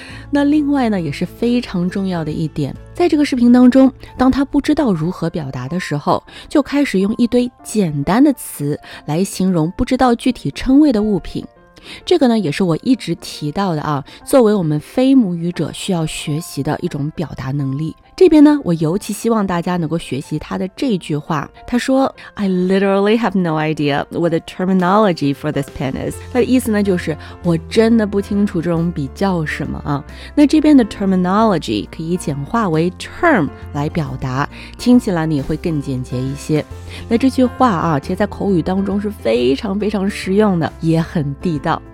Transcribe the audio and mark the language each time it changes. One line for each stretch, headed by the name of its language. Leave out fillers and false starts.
Chinese: 那另外呢，也是非常重要的一点，在这个视频当中，当他不知道如何表达的时候，就开始用一堆简单的词来形容不知道具体称谓的物品。这个呢，也是我一直提到的啊，作为我们非母语者需要学习的一种表达能力。这边呢，我尤其希望大家能够学习他的这句话。他说
English: I literally have no idea what the terminology for this pen is.
Chinese: 他的意思呢，就是我真的不清楚这种笔叫什么啊。那这边的 terminology 可以简化为 term 来表达，听起来呢也会更简洁一些。那这句话啊，其实在口语当中是非常非常实用的，也很地道。